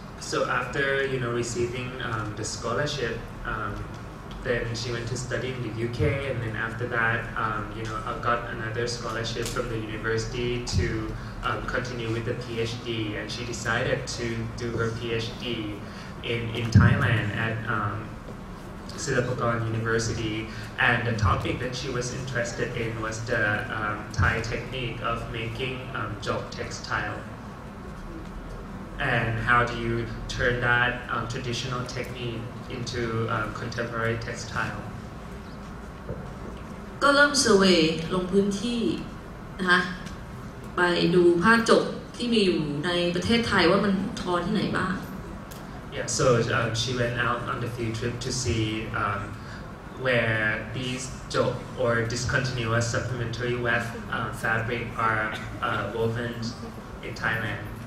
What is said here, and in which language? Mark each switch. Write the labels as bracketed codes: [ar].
[en] So after you know receiving the scholarship, then she went to study in the UK, and then after that, you know, I got another scholarship from the university to continue with the PhD, and she decided to do her PhD in Thailand at Silapakorn University, and the topic that she was interested in was the Thai technique of making jok textile. And how do you turn that traditional technique into contemporary textile? [th] ก็เริ่มเซอร์เวย์ลงพื้นที่นะคะไปดูผ้าจกที่มีอยู่ในประเทศไทยว่ามันทอที่ไหนบ้าง [en] Yeah, so she went out on the field trip to see where these jok or discontinuous supplementary weft fabric are woven in Thailand.